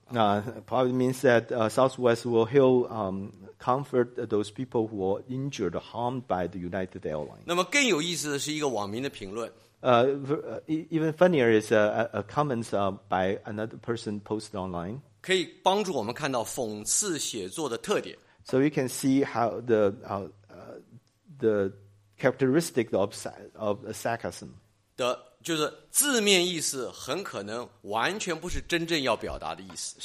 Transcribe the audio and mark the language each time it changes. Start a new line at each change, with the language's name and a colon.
English: Probably means that Southwest will heal, comfort those people who are injured, harmed by the United Airlines.
Chinese: 那么更有意思的是一个网民的评论。
English: Even funnier is a comment by another person posted online.
Chinese: 可以帮助我们看到讽刺写作的特点。
English: So you can see how the characteristic of sarcasm.
Chinese: 的就是字面意思很可能完全不是真正要表达的意思。